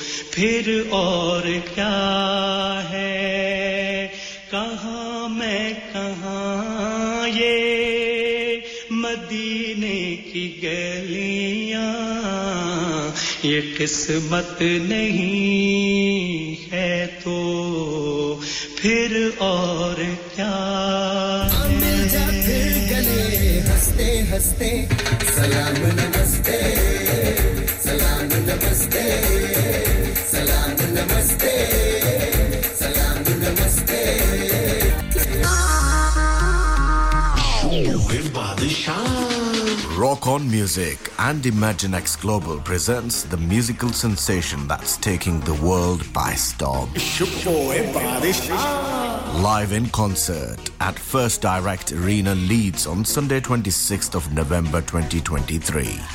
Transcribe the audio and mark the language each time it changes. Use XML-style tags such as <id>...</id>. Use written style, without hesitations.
<ur>پھر اور کیا ہے کہاں میں کہاں یہ مدینے کی گلیاں یہ قسمت نہیں ہے تو پھر اور کیا مل جا پھر گلے ہستے ہستے سلام نمستے سلام نمستے سلام نمستے سلام نمستے بادشاہ روک</ur> <en>Popcorn Music and ImagineX Global presents the musical sensation that's taking the world by storm. Live in concert at First Direct Arena Leeds on Sunday 26th of November 2023.</en>